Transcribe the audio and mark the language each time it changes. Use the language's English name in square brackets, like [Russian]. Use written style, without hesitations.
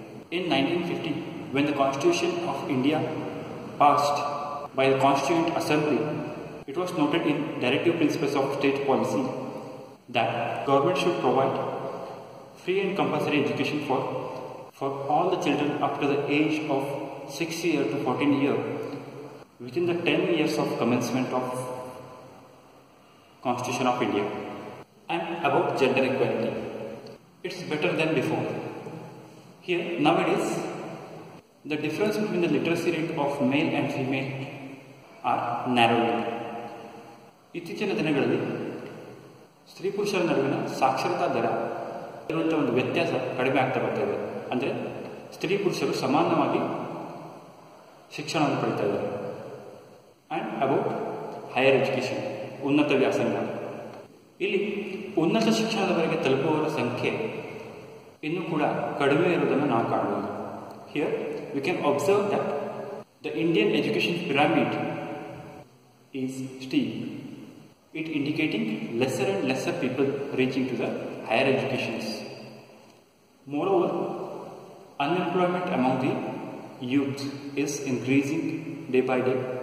[English] In 1950, when the Constitution of India passed by the Constituent Assembly, it was noted in Directive Principles of State Policy that government should provide free and compulsory education for all the children up to the age of 6 year to 14 year within the 10 years of commencement of Constitution of India. And about gender equality, it's better than before. Here nowadays the difference between the literacy rate of male and female are narrowed. [Kannada] ಇತ್ತೀಚಿನ ದಿನಗಳಲ್ಲಿ ಸ್ತ್ರೀ ಪುರುಷರ ನಡುವಿನ ಸಾಕ್ಷರತಾ ದರ ಇರುವಂಥ ಒಂದು ವ್ಯತ್ಯಾಸ ಕಡಿಮೆ ಆಗ್ತಾ ಬರ್ತಾ ಇದೆ. ಅಂದರೆ ಸ್ತ್ರೀ ಪುರುಷರು ಸಮಾನವಾಗಿ ಶಿಕ್ಷಣವನ್ನು ಪಡಿತಾ ಇದ್ದಾರೆ. [English] and about higher education, [Kannada] ಉನ್ನತ ವ್ಯಾಸಂಗ, ಇಲ್ಲಿ ಉನ್ನತ ಶಿಕ್ಷಣದವರೆಗೆ ತಲುಪುವವರ ಸಂಖ್ಯೆ ಇನ್ನೂ ಕೂಡ ಕಡಿಮೆ ಇರುವುದನ್ನು ನಾವು ಕಾಣಬಹುದು. [English] Here we can observe that the Indian education pyramid is steep, it indicating lesser and lesser people reaching to the higher educations. Moreover, unemployment among the youth is increasing day by day.